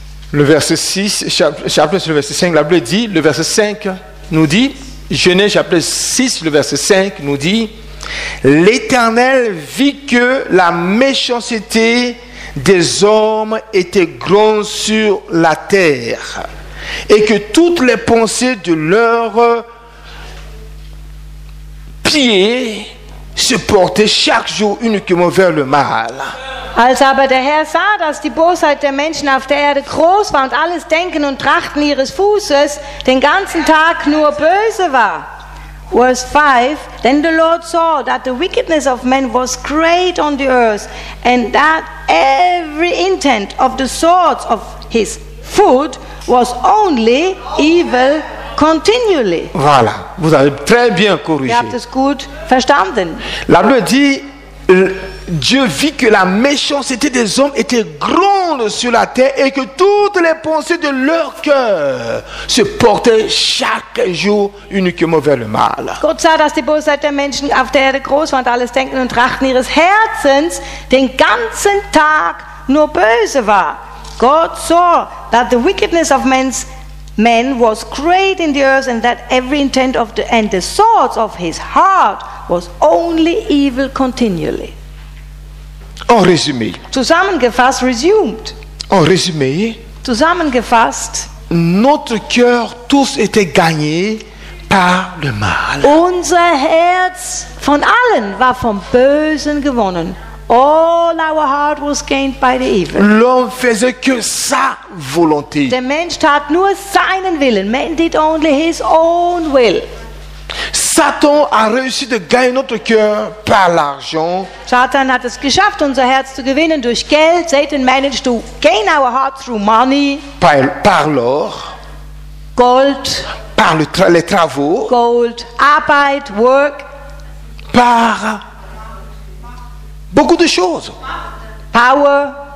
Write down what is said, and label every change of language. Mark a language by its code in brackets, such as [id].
[fr] Le verset 6, chapitre le verset 5, la Bible dit, le verset 5 nous dit, Genèse chapitre 6, le verset 5 nous dit, l'Éternel vit que la méchanceté des hommes était grande sur la terre et que toutes les pensées de leur pieds se portaient chaque jour uniquement vers le mal. [de] Als aber der Herr sah, dass die Bosheit der Menschen auf der Erde groß war und alles Denken und Trachten ihres Fußes den ganzen Tag nur böse war. [en] Verse 5, then the Lord saw that the wickedness of men was great on the earth and that every intent of the thoughts of his foot was only evil continually. [fr] Voilà, vous avez très bien corrigé. [de] Ihr habt es gut verstanden. [fr] La Bible dit, Dieu vit que la méchanceté des hommes était grande sur la terre et que toutes les pensées de leur cœur se portaient chaque jour uniquement vers le mal. [de] Gott sah, dass die Bosheit der Menschen auf der Erde groß war und alles Denken und Trachten ihres Herzens den ganzen Tag nur böse war. [en] God saw that the wickedness of men was great in the earth and that every intent of the and the thoughts of his heart was only evil continually. [fr] En résumé. [de] Zusammengefasst, [en] resumed. [fr] En résumé, [de] zusammengefasst, [fr] notre cœur tous était gagné par le mal. [de] Unser Herz von allen war vom Bösen gewonnen. [en] All our heart was gained by the evil. [fr] L'homme faisait que sa volonté. [de] Der Mensch tat nur seinen Willen. [en] Man did only his own will. [fr] Satan a réussi de gagner notre cœur par l'argent. [de] Satan hat es geschafft, unser Herz zu gewinnen durch Geld. [en] Satan managed to gain our heart through money. [fr] Par l'or. [de] Gold. [fr] Par les travaux. [de] Gold. Arbeit, [en] work. [fr] Par beaucoup de choses. [en] Power.